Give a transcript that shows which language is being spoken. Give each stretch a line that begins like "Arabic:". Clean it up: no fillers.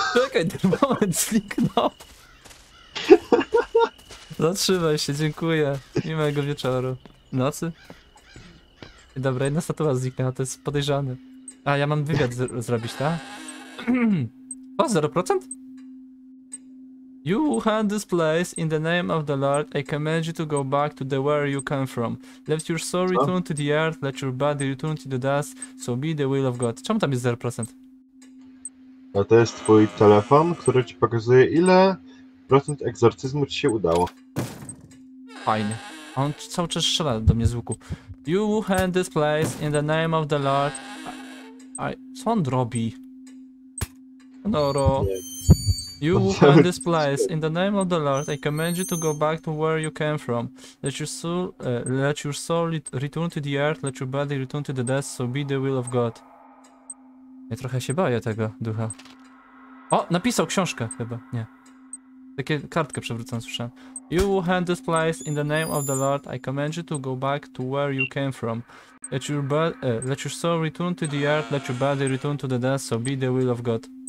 Polish: Czekaj, termometr zniknął. Zatrzymaj się, dziękuję. Miłego wieczoru. Nocy. Dobra, jedna statua zniknęła, to jest podejrzane. A, ja mam wywiad zrobić, tak? O, 0%?
English: You who had this place, in the name of the Lord, I command you to go back to the where you come from. Let your soul return to the earth, let your body return to the dust, so be the will of God.
Polish: Czemu tam jest 0%? A to jest twój telefon, który ci pokazuje, ile procent egzorcyzmu ci się udało. Fajny. On cały czas strzela do mnie z łuku.
English: You who had this place, in the name of the Lord...
Polish: co on robi?
English: Noro. You will find this place. In the name of the Lord, I command you to go back to where you came from. Let your soul return to the earth, let your body return to the dust, so be the will of God.
Polish: Ja trochę się boję tego ducha. O, napisał książkę chyba, nie. Takie kartkę przewrócone słyszałem.
English: You will find this place. In the name of the Lord, I command you to go back to where you came from. Let your soul return to the earth, let your body return to the dust, so be the will of God.